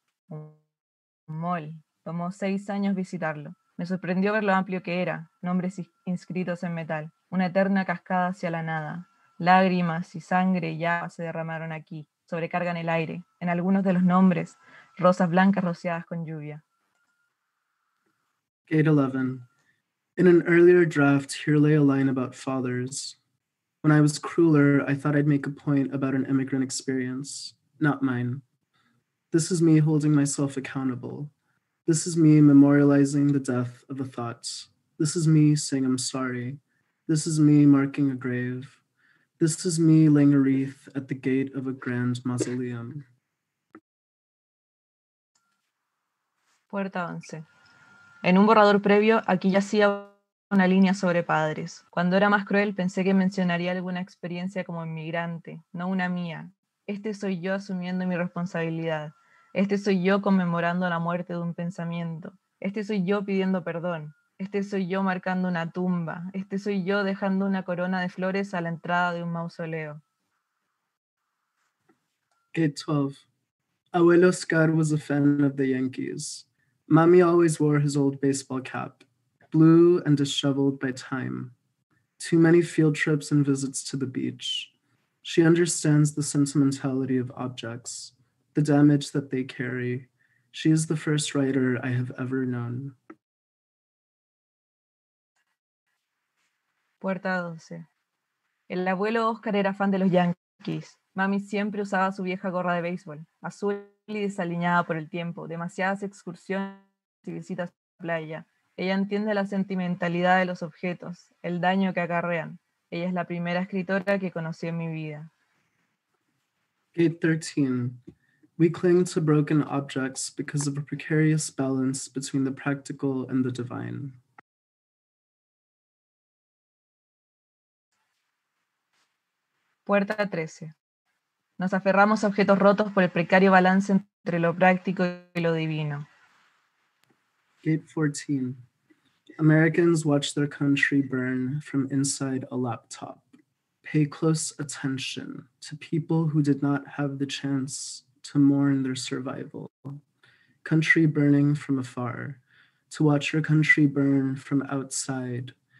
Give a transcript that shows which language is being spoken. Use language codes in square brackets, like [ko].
[es] Un mall. Tomó 6 años visitarlo. Me sorprendió ver lo amplio que era, nombres inscritos en metal, una eterna cascada hacia la nada. Lágrimas y sangre ya se derramaron aquí, sobrecargan el aire. En algunos de los nombres, rosas blancas rociadas con lluvia. [en] Gate 11. In an earlier draft, here lay a line about fathers. When I was crueler, I thought I'd make a point about an immigrant experience, not mine. This is me holding myself accountable. This is me memorializing the death of a thought. This is me saying I'm sorry. This is me marking a grave. This is me laying a wreath at the gate of a grand mausoleum. [es] Puerta 11. En un borrador previo, aquí yacía una línea sobre padres. Cuando era más cruel, pensé que mencionaría alguna experiencia como inmigrante, no una mía. Este soy yo asumiendo mi responsabilidad. Este soy yo conmemorando la muerte de un pensamiento. Este soy yo pidiendo perdón. Este soy yo marcando una tumba. Este soy yo dejando una corona de flores a la entrada de un mausoleo. [en] Gate 12. Abuelo Scar was a fan of the Yankees. Mommy always wore his old baseball cap, blue and disheveled by time. Too many field trips and visits to the beach. She understands the sentimentality of objects, the damage that they carry. She is the first writer I have ever known. [es] Puerta 12. El abuelo Oscar era fan de los Yankees. Mami siempre usaba su vieja gorra de béisbol, azul y desaliñada por el tiempo, demasiadas excursiones. Si visitas la playa, ella entiende la sentimentalidad de los objetos, el daño que acarrean. Ella es la primera escritora que conocí en mi vida. [en] Gate 13. We cling to broken objects because of a precarious balance between the practical and the divine. [es] Puerta 13. Nos aferramos a objetos rotos por el precario balance entre lo práctico y lo divino. [en] Gate 14. Americans watch their country burn from inside a laptop. Pay close attention to people who did not have the chance to mourn their survival. Country burning from afar. To watch your country burn from outside.